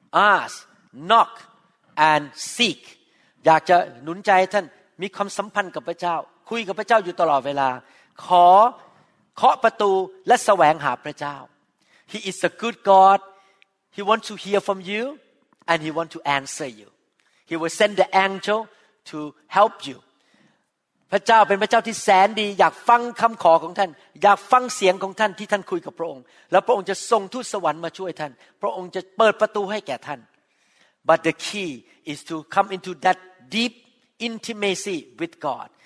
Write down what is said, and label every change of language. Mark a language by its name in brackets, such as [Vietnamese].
[English] ask knock and seek [Thai] อยากจะหนุนใจให้ท่านมีความสัมพันธ์กับพระเจ้าคุยกับพระเจ้าอยู่ตลอดเวลาขอเคาะประตูและแสวงหาพระเจ้า [English] He is a good God He wants to hear from youAnd he wants to answer you. He will send the angel to help you. [Thai] พระเจ้าเป็นพระเจ้าที่แสนดีอยากฟังคำขอของท่านอยากฟังเสียงของท่านที่ท่านคุยกับพระองค์แล้วพระองค์จะส่งทูตสวรรค์มาช่วยท่านพระองค์จะเปิดประตูให้แก่ท่าน [English] But the key is to come into that deep intimacy with God.